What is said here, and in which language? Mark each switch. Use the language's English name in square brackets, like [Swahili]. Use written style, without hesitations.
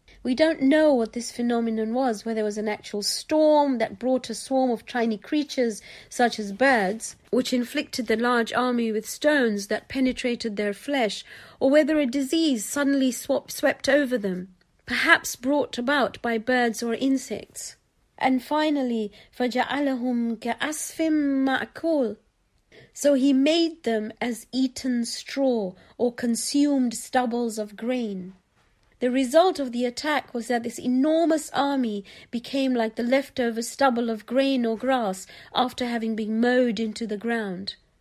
[English] We don't know what this phenomenon was, whether it was an actual storm that brought a swarm of tiny creatures, such as birds, which inflicted the large army with stones that penetrated their flesh, or whether a disease suddenly swept over them, perhaps brought about by birds or insects. And finally, [Arabic] فَجَعَلَهُمْ كَأَسْفٍ مَأْكُولٍ. [English] So he made them as eaten straw or consumed stubbles of grain. The result of the attack was that this enormous army became like the leftover stubble of grain or grass after having been mowed into the ground.